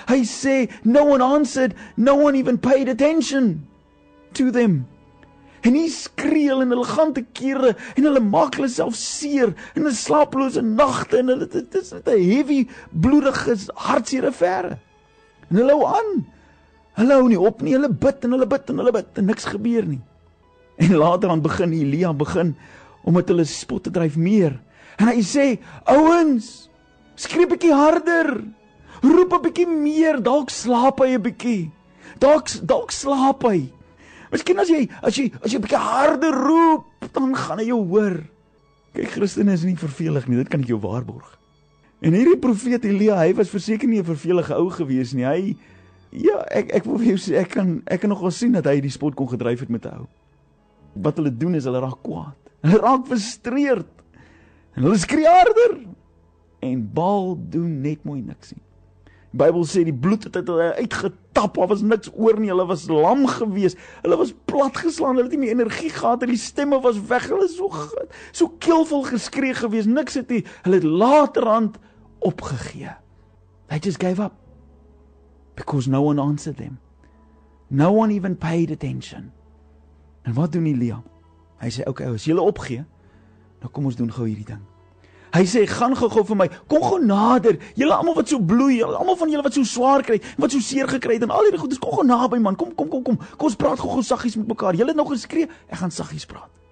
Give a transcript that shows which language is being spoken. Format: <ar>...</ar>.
<af>Hy sê,</af> <en>no one answered, no one even paid attention to them.</en> <af>En hy skreeu en hulle gaan te kere en hulle maak hulle self seer in 'n slapelose nagte en hulle dit is 'n heavy bloedige hartseer affære. En hulle hou aan. Hulle hou nie op nie. Hulle bid en hulle bid en hulle bid en niks gebeur nie. En later aan begin Elia begin om met hulle spot te dryf meer. En hy sê, ouens, skree 'n bietjie harder. Roep 'n bietjie meer, dalk slaap hy 'n bietjie. Dalk slaap hy. Miskien as jy 'n bietjie harder roep, dan gaan hy jou hoor. Kyk, Christen is nie vervelig nie, dit kan ek jou waarborg. En hierdie profeet Elia, hy was verseker nie 'n vervelige ou gewees nie. Hy ja, ek wil vir jou sê, ek kan nogal sien dat hy die spot kon gedryf het met 'n ou. Wat hulle doen is hulle raak kwaad. Hulle raak frustreerd. En hulle skree harder. En Baal doen net mooi niks nie. Die Bybel sê die bloed het hulle uitgetap. Daar was niks oor nie. Hulle was lam gewees. Hulle was plat geslaan. Hulle het nie meer energie gehad. Die stemme was weg. Hulle is so keelvol geskree gewees. Niks het nie. Hulle het laterhand opgegee.</af> <en>They just gave up. Because no one answered them. No one even paid attention.</en> <af>En wat doen Elia? Hy sê, oké, as jy opgee, dan kom ons doen gou hierdie ding. Hy sê, gaan gou vir my, kom gou nader, julle almal wat so bloei, almal van julle wat so swaar kry, wat so seer gekry het, en al hierdie goed, kom gou naby man, kom, kom ons praat gou saggies met mekaar, julle het nou geskree, ek gaan saggies praat.</af>